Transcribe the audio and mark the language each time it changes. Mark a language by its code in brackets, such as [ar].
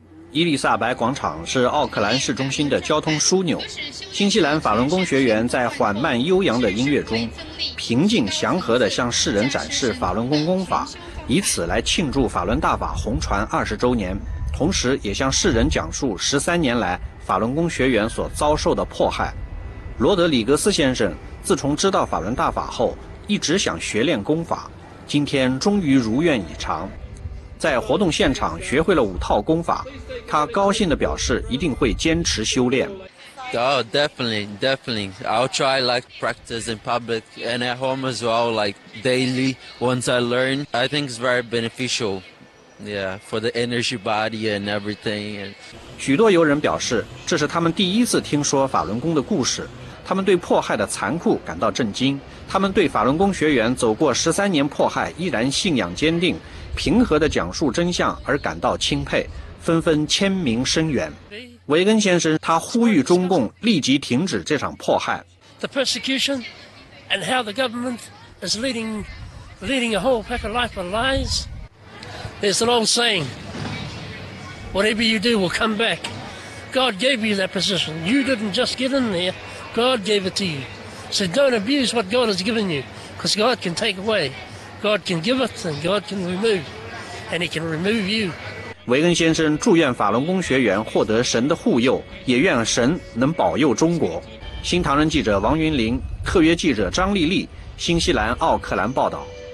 [zh] 伊丽莎白广场是奥克兰市中心的交通枢纽，新西兰法轮功学员在缓慢悠扬的音乐中平静祥和地向世人展示法轮功功法，以此来庆祝法轮大法红传20周年，同时也向世人讲述13年来法轮功学员所遭受的迫害。罗德里格斯先生自从知道法轮大法后一直想学练功法，今天终于如愿以偿，在活动现场学会了5套功法，他高兴地表示一定会坚持修炼。 [en] Oh, definitely. I'll try like practice in public and at home as well, like daily. Once I learn, I think it's very beneficial, yeah, for the energy body and everything. [zh] 许多游人表示，这是他们第一次听说法轮功的故事，他们对迫害的残酷感到震惊，他们对法轮功学员走过十三年迫害依然信仰坚定、平和地讲述真相而感到钦佩，纷纷签名声援。维根先生他呼吁中共立即停止这场迫害。 [en] The persecution and how the government is leading a whole pack of life of lies. There's an old saying, whatever you do will come back. God gave you that position. You didn't just get in there, God gave it to you. So don't abuse what God has given you, because God can take away. God can give it and God can remove, and He can remove you. [zh] 维根先生祝愿法轮功学员获得神的护佑，也愿神能保佑中国。新唐人记者王云林，特约记者张丽丽，新西兰奥克兰报道。